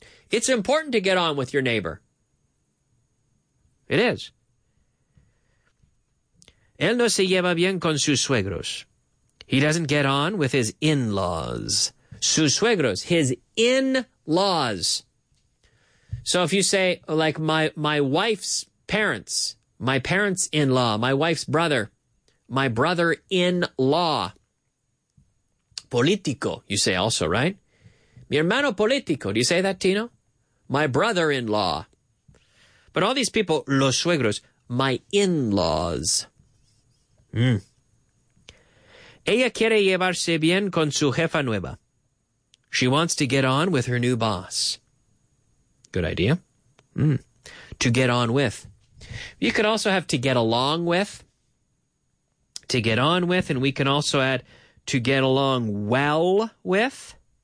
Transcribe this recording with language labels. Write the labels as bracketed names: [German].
[English] It's important to get on with your neighbor. It is. [Spanish] Él no se lleva bien con sus suegros. [English] He doesn't get on with his in-laws. [Spanish] Sus suegros, [English] his in-laws. So if you say, like, my wife's parents, my parents' in-law, my wife's brother, my brother-in-law. Político, you say also, right? [Spanish] Mi hermano político, [English] do you say that, Tino? My brother-in-law. But all these people, [Spanish] los suegros, [English] my in-laws. Mm. [Spanish] Ella quiere llevarse bien con su jefa nueva. [English] She wants to get on with her new boss. Good idea. Mm. To get on with. You could also have to get along with. To get on with. And we can also add to get along well with.